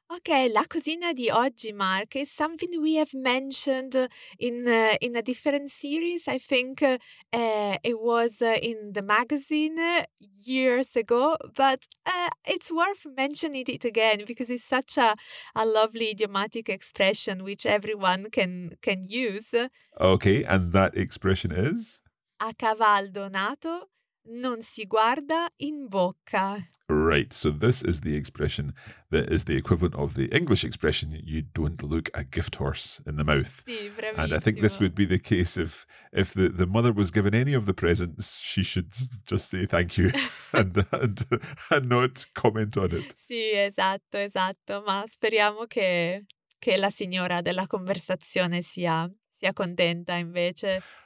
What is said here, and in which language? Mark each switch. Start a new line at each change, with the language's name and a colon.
English: Okay,
Italian: la cosina di oggi,
English: Mark, is something we have mentioned in a different series. I think it was in the magazine years ago, but it's worth mentioning it again because it's such a lovely idiomatic expression which everyone can use. Okay, and that expression is?
Italian: A cavallo nato non si guarda in bocca.
English: Right, so this is the expression that is the equivalent of the English expression, you don't look a gift horse in the mouth.
Italian: Sì, bravissimo.
English: And I think this would be the case if the mother was given any of the presents, she should just say thank you and not comment on it.
Italian: Sì, esatto, esatto. Ma speriamo che la signora della conversazione sia contenta invece.